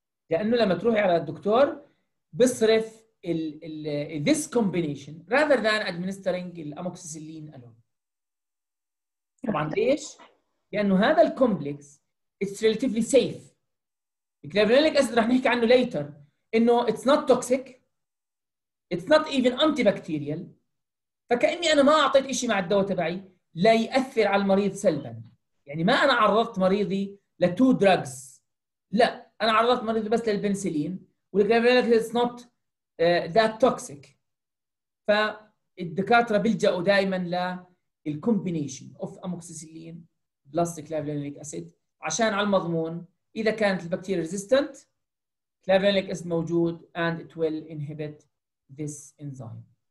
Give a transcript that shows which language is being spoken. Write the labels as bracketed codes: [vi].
[ar] لأنه لما تروحي على الدكتور بصرف ال [en] this combination rather than administering [ar] الأموكسيسيلين ألون. طبعاً ليش؟ لأنه هذا الكومبلكس [en] it's relatively safe. [ar] الكلافيولينيك أسيد رح نحكي عنه [en] later إنه it's not toxic, it's not even antibacterial. [ar] فكأني أنا ما أعطيت إشي مع الدواء تبعي لا يأثر على المريض سلباً. يعني ما أنا عرضت مريضي لتو دراجز، لا أنا عرضت مريضي بس للبنسلين والكلافيولينيك [en] it's not that toxic. [ar] فالدكاترة بيلجأوا دائماً ل الكومبينيشن اوف اموكسيسيلين بلس كلافيولينيك اسيد عشان على المضمون اذا كانت البكتيريا ريزيستنت كلافيولينيك اسيد موجود [en] and it will inhibit this enzyme.